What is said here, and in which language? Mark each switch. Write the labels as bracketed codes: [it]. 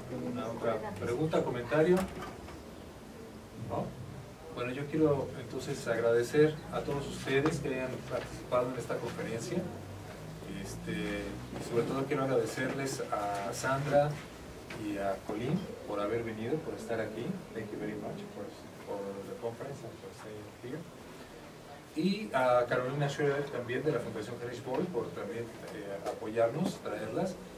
[es] ¿Una otra pregunta, comentario? ¿No? Bueno, yo quiero entonces agradecer a todos ustedes que hayan participado en esta conferencia. Y sobre todo quiero agradecerles a Sandra y a Colin por haber venido, por estar aquí. [en] Thank you very much for the conference and for staying here. [es] Y a Carolina Schroeder también de la Fundación Heinrich Boll por también apoyarnos, traerlas.